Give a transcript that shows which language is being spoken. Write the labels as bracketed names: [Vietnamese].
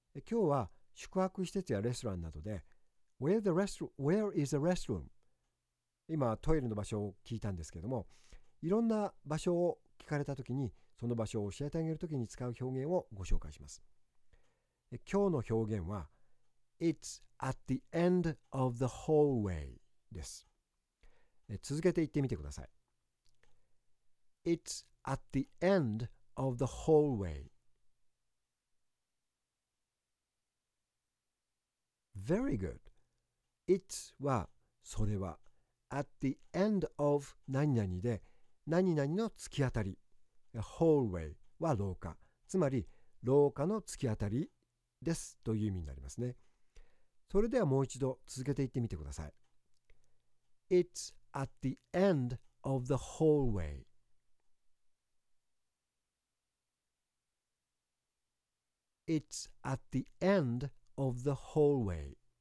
[Japanese] 今日は宿泊施設やレストランなどで [English] Where is the restroom? [Japanese] 今トイレの場所を聞いたんですけども、いろんな場所を聞かれたときに、その場所を教えてあげるときに使う表現をご紹介します。今日の表現は [English] It's at the end of the hallway [Japanese] です。続けて言ってみてください。 [English] It's at the end of the hallway. Very good. [Japanese] It's はそれは、 [English] At the end of [Japanese] 何々で、何々の突き当たり。 Hallway は廊下。つまり、廊下の突き当たりです。という意味になりますね。それではもう一度続けていってみてください。 [English] It's at the end of the hallway.It's at the end of the hallway.